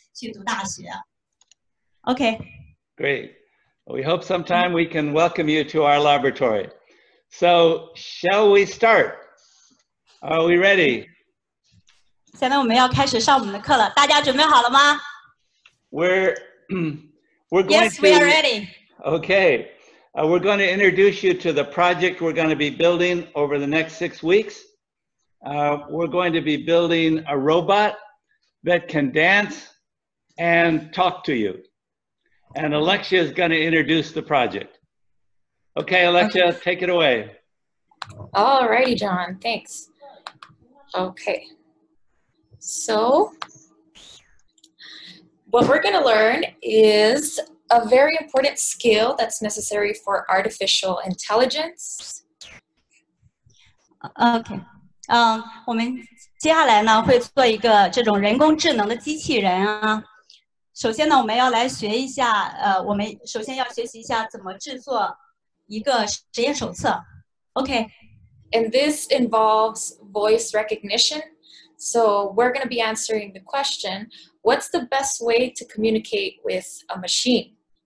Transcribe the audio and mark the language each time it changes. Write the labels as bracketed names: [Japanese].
[Chinese] 赵老师希望将来呢，我们自己也能够设计出这么非常棒、非常有趣的玩具啊！也希望同学们以后有机会能够去麻省理工和哈佛大学去读大学。OK， [English] great. We hope sometime we can welcome you to our laboratory. So shall we start? Are we ready? [Chinese] 现在我们要开始上我们的课了，大家准备好了吗？ [English] We're going to. Yes, we are ready. Okay. We're going to introduce you to the project we're going to be building over the next 6 weeks. We're going to be building a robot that can dance and talk to you. And Alexia is going to introduce the project. Okay, Alexia, okay. Take it away. All righty, John. Thanks. Okay. So what we're going to learn is a very important skill that's necessary for artificial intelligence. Okay. [Chinese] 我们接下来呢会做一个这种人工智能的机器人啊。首先呢，我们要来学一下，我们首先要学习一下怎么制作一个实验手册。Okay. [English] And this involves voice recognition. So we're going to be answering the question, what's the best way to communicate with a machine?